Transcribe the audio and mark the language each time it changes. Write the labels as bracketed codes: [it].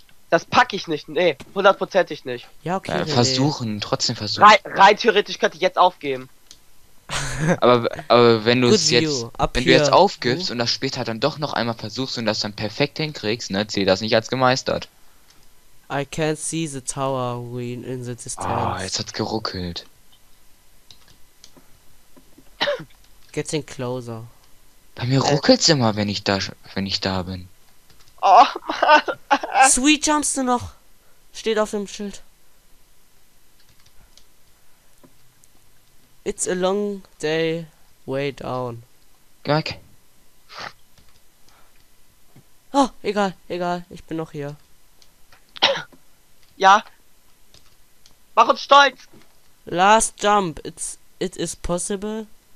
[de] Das packe ich nicht, nee. Hundertprozentig nicht. Ja, okay. Versuchen, trotzdem versuchen. Rein theoretisch könnte ich jetzt aufgeben. Aber wenn du es jetzt... Wenn du jetzt aufgibst und das später dann doch noch einmal versuchst und das dann perfekt hinkriegst, ne, zähl das nicht als gemeistert. [en] I can't see the tower ruin in the distance. [de] Oh, jetzt hat's geruckelt. [en] Getting closer. [de] Bei mir ruckelt's immer, wenn ich da bin. Oh Mann. [en] Sweet jumps [de] du noch. Steht auf dem Schild. [en] It's a long day way down. Okay. [de] Oh, egal, ich bin noch hier. Ja. Mach uns stolz. [en] Last jump, it is possible.